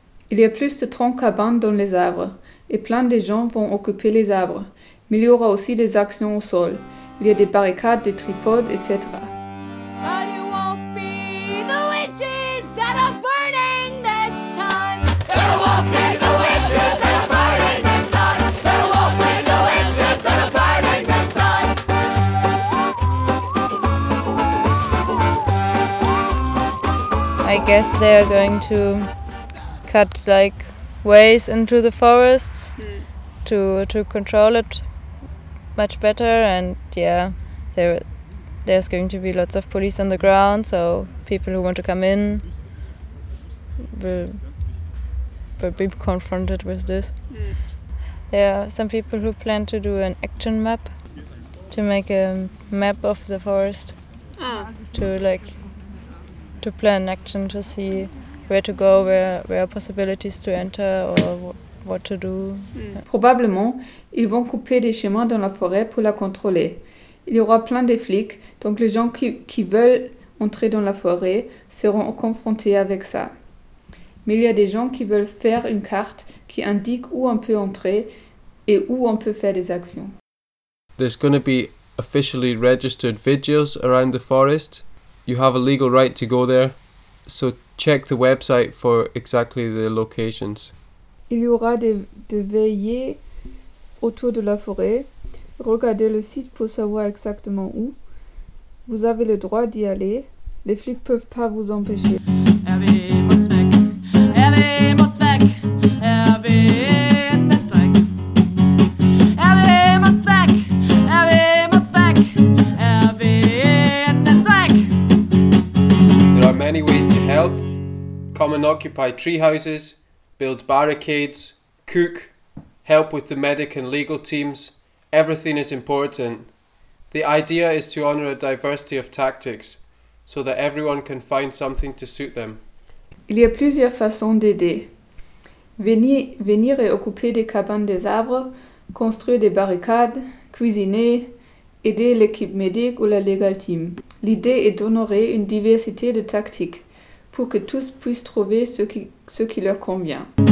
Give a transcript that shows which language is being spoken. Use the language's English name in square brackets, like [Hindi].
[French] Il y a plus de 30 cabanes dans les arbres, et plein de gens vont occuper les arbres. Mais il y aura aussi des actions au sol. Il y a des barricades, des tripodes, etc. [English] But it won't be the witches that are burning this time. It won't be the witches that are burning this time. It won't be the witches that are burning this time. I guess they are going to cut like ways into the forests to control it much better, and yeah, there's going to be lots of police on the ground, so people who want to come in will but be confronted with this. There are some people who plan to do an action map, to make a map of the forest, to plan action to see where to go, where are possibilities to enter or what to do. [French] Probablement, ils vont couper des chemins dans la forêt pour la contrôler. Il y aura plein de flics, donc les gens qui veulent entrer dans la forêt seront confrontés avec ça. Mais il y a des gens qui veulent faire une carte qui indique où on peut entrer et où on peut faire des actions. [English] There's going to be officially registered vigils around the forest. You have a legal right to go there, so check the website for exactly the locations. [French] Il y aura des veillées autour de la forêt. Regardez le site pour savoir exactement où. Vous avez le droit d'y aller. Les flics peuvent pas vous empêcher. [English] There are many ways to help. Come and occupy tree houses, build barricades, cook, help with the medic and legal teams. Everything is important. The idea is to honor a diversity of tactics so that everyone can find something to suit them. [French] Il y a plusieurs façons d'aider. Venir et occuper des cabanes des arbres, construire des barricades, cuisiner, aider l'équipe médique ou la legal team. L'idée est d'honorer une diversité de tactiques pour que tous puissent trouver ce qui leur convient.